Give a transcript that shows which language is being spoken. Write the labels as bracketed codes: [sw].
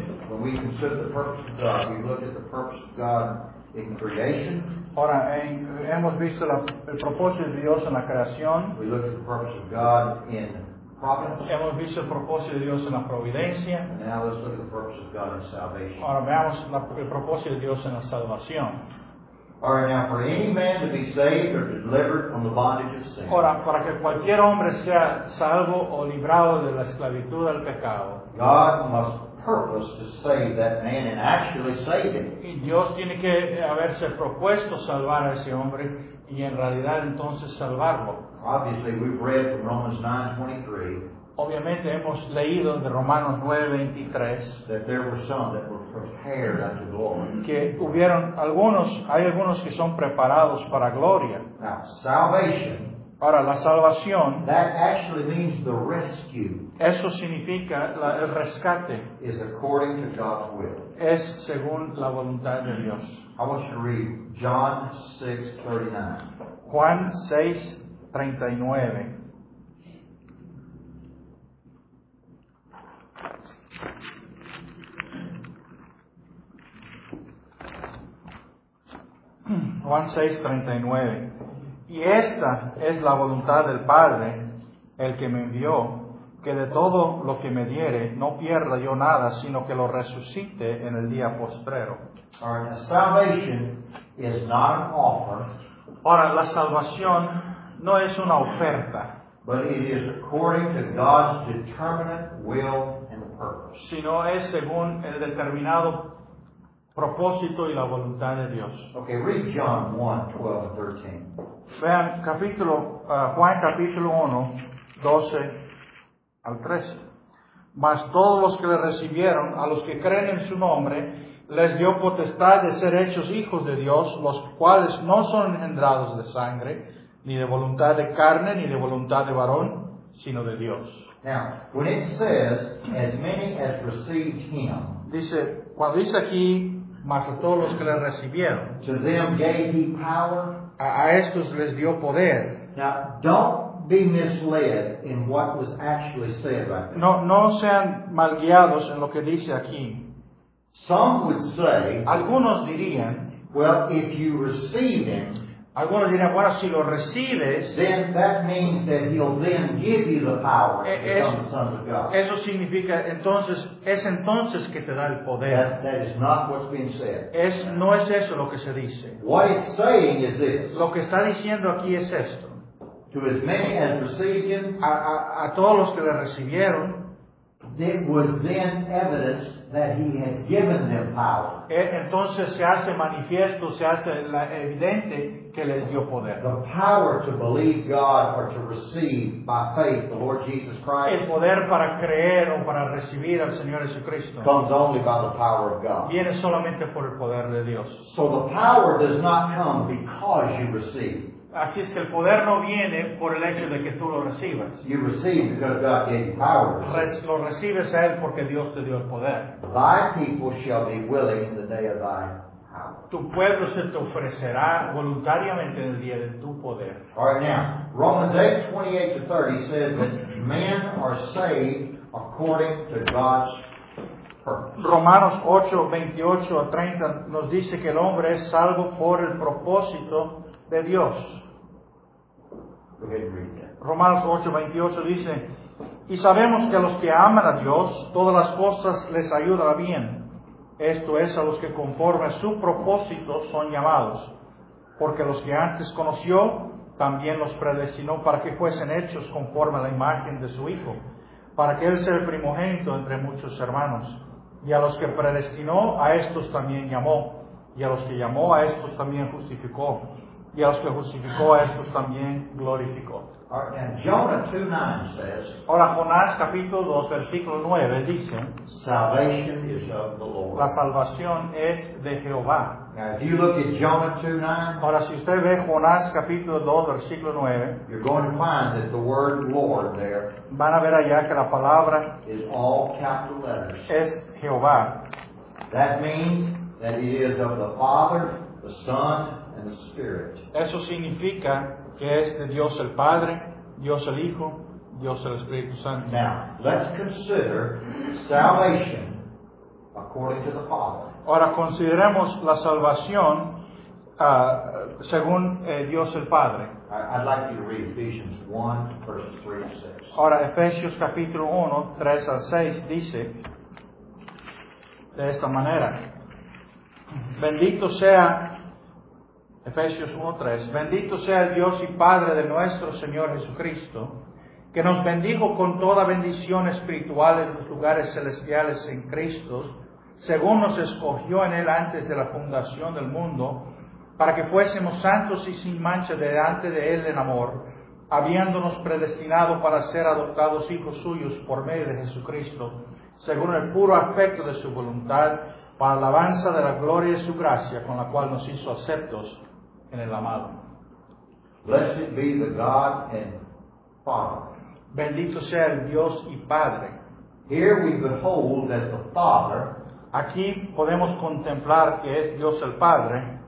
[en] When we consider the purpose of God, we looked at the purpose of God in creation. [es] Ahora, hemos visto el propósito de Dios en la creación. [en] We looked at the purpose of God in providence. [es] Hemos visto el propósito de Dios en la providencia. [en] And now let's look at the purpose of God in salvation. [es] Ahora, veamos el propósito de Dios en la salvación. [en] All right, now for any man to be saved or delivered from the bondage of sin. [es] Ahora, para que cualquier hombre sea salvo o librado de la esclavitud del pecado. [en] God must purpose to save that man and actually save him. [es] Y Dios tiene que haberse propuesto salvar a ese hombre y en realidad entonces salvarlo. [en] Obviously, we've read from Romans 9:23. [es] Obviamente hemos leído de Romanos 9:23 [en] that there were some that were prepared unto glory. [es] Que hubieron algunos, hay algunos que son preparados para gloria. [en] Now, salvation, [es] para la salvación, [en] that actually means the rescue. [es] Eso significa el rescate. [en] Is according to God's will. [es] Es según la voluntad de Dios. [en] I want you to read John 6:39. [es] Juan 6:39. Juan 6:39. Y esta es la voluntad del Padre, el que me envió, que de todo lo que me diere no pierda yo nada, sino que lo resucite en el día postrero. [en] Right, salvation is not an offer. [es] Ahora, la salvación no es una oferta, [en] but it is according to God's determinate will and purpose. [es] Sino es según el determinado propósito y la voluntad de Dios. [en] Okay, read John 1:12-13. [es] Vean capítulo, Juan 1:12-13. Mas todos los que le recibieron, a los que creen en su nombre, les dio potestad de ser hechos hijos de Dios, los cuales no son engendrados de sangre, ni de voluntad de carne, ni de voluntad de varón, sino de Dios. [en] Now, when it says, as many as received him, [es] dice, cuando dice aquí, mas a todos los que le recibieron, [en] to them gave he power, [es] a estos les dio poder. [en] Now, don't be misled in what was actually said right there. [es] No sean mal guiados en lo que dice aquí. [en] Some would say, [es] algunos dirían, [en] well, if you receive him, [es] algunos dirían, bueno, si lo recibes, [en] then that means that he'll then give you the power to become the sons of God. [es] Eso significa, entonces, es entonces que te da el poder. [en] That is not what's being said. [es] No es eso lo que se dice. [en] What it's saying is this. [es] Lo que está diciendo aquí es esto. [en] To as many as received him, [es] a todos los que le recibieron, [en] it was then evidence that he had given them power. [es] Entonces se hace manifiesto, se hace evidente que les dio poder. [en] The power to believe God or to receive by faith the Lord Jesus Christ. [es] El poder para creer o para recibir al Señor Jesucristo. [en] Comes only by the power of God. [es] Viene solamente por el poder de Dios. [en] So the power does not come because you receive. [es] Así es que el poder no viene por el hecho de que tú lo recibas. [en] You receive because God gave you power. [es] Lo recibes a él porque Dios te dio el poder. [en] Thy people shall be willing in the day of thy power. [es] Tu pueblo se te ofrecerá voluntariamente en el día de tu poder. [en] All right, now, Romans 8:28-30 says that men are saved according to God's purpose. [es] Romanos 8:28-30 nos dice que el hombre es salvo por el propósito de Dios. Romanos 8:28 dice, y sabemos que a los que aman a Dios, todas las cosas les ayudan bien. Esto es a los que conforme a su propósito son llamados. Porque los que antes conoció, también los predestinó para que fuesen hechos conforme a la imagen de su Hijo, para que Él sea el primogénito entre muchos hermanos. Y a los que predestinó, a estos también llamó. Y a los que llamó, a estos también justificó. Y a los que justificó, a estos también glorificó. [en] Jonah 2:9 says, [es] ahora Jonás capítulo 2 versículo 9 dice, [en] salvation is of the Lord. [es] La salvación es de Jehová. [en] Now, if you look at Jonah 2:9, [es] ahora si usted ve Jonás capítulo 2 versículo 9, [en] you're going to find that the word Lord there, [es] van a ver allá que la palabra [en] is all capital letters. [es] Es Jehová. [en] That means that it is of the Father, the Son, the Spirit. [es] Eso significa que es de Dios el Padre, Dios el Hijo, Dios el Espíritu Santo. [en] Now, let's consider salvation according to the Father. [es] Ahora consideremos la salvación según Dios el Padre. [en] I'd like you to read Ephesians 1, verses 3 to 6. [es] Ahora, Efesios capítulo 1, 3 al 6, dice de esta manera. Bendito sea, Efesios 1, 3. Bendito sea el Dios y Padre de nuestro Señor Jesucristo, que nos bendijo con toda bendición espiritual en los lugares celestiales en Cristo, según nos escogió en Él antes de la fundación del mundo, para que fuésemos santos y sin mancha delante de Él en amor, habiéndonos predestinado para ser adoptados hijos suyos por medio de Jesucristo, según el puro afecto de su voluntad, para alabanza de la gloria de su gracia, con la cual nos hizo aceptos en el amado. [en] Blessed be the God and Father. [es] Bendito sea el Dios y Padre. [en] Here we behold that the Father, [es] aquí podemos contemplar que es Dios el Padre,